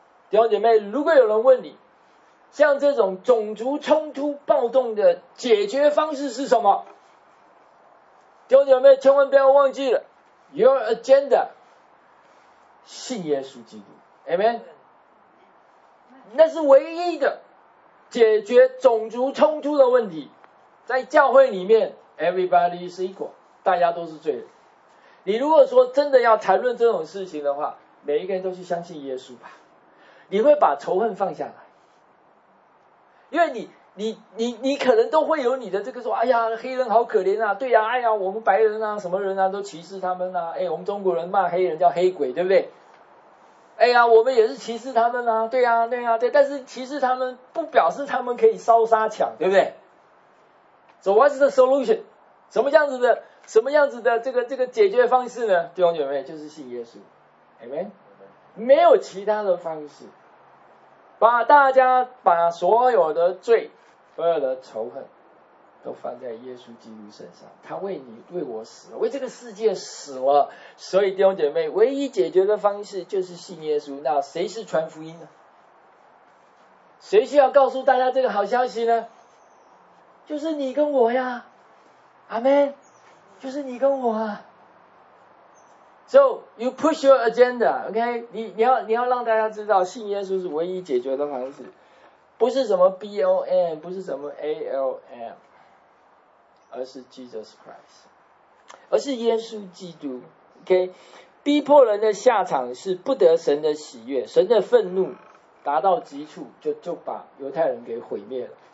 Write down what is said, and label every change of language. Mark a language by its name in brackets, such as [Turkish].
[Chinese] 弟兄姐妹，如果有人问你，像这种种族冲突暴动的解决方式是什么？弟兄姐妹，千万不要忘记了 ， [English] your agenda， [Chinese] 信耶稣基督 ，Amen， 那是唯一的解决种族冲突的问题。在教会里面 ， [English] everybody is equal。 [Chinese] 大家都是罪人。你如果说真的要谈论这种事情的话，每一个人都去相信耶稣吧，你会把仇恨放下来。因为你可能都会有你的这个说，哎呀，黑人好可怜啊，对呀、啊，哎呀，我们白人啊，什么人啊，都歧视他们啊，哎，我们中国人骂黑人叫黑鬼，对不对？哎呀，我们也是歧视他们啊，对呀、啊，对呀、啊，对，但是歧视他们不表示他们可以烧杀抢，对不对 ？ [English] So what's the solution？ [Chinese] 什么样子的？什么样子的这个解决方式呢？弟兄姐妹，就是信耶稣 ，Amen。没有其他的方式，把大家把所有的罪、所有的仇恨，都放在耶稣基督身上。他为你、为我死了，为这个世界死了。所以弟兄姐妹，唯一解决的方式就是信耶稣。那谁是传福音呢？谁需要告诉大家这个好消息呢？就是你跟我呀 ，Amen。就是你跟我啊 [English] ，So you push your agenda, OK？ [Chinese] 你要让大家知道，信耶稣是唯一解决的方式，不是什么 BLM， 不是什么 ALM， 而是 Jesus Christ， 而是耶稣基督 ，OK？逼迫人的下场是不得神的喜悦，神的愤怒达到极处，就把犹太人给毁灭了。